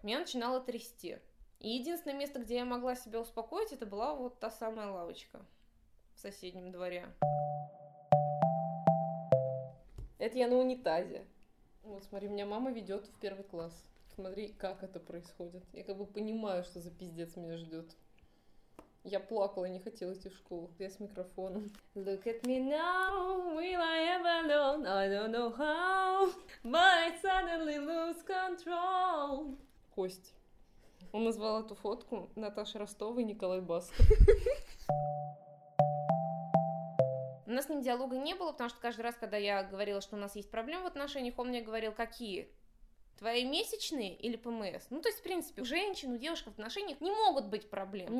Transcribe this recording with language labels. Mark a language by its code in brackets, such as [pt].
[ru] Меня начинало трясти. И единственное место, где я могла себя успокоить, это была вот та самая лавочка в соседнем дворе. Это я на унитазе. Вот смотри, меня мама ведет в первый класс. Смотри, как это происходит. Я как бы понимаю, что за пиздец меня ждет. Я плакала, не хотела идти в школу. Я с микрофоном. [en] Look at me now, will I ever learn? I don't know how, but I suddenly lose control. [ru] Кость. Он назвал эту фотку Наташа Ростова и Николай Басков. У нас с ним диалога не было, потому что каждый раз, когда я говорила, что у нас есть проблемы в отношениях, он мне говорил, какие? Твои месячные или ПМС? Ну, то есть, в принципе, у женщин, у девушек в отношениях не могут быть проблем.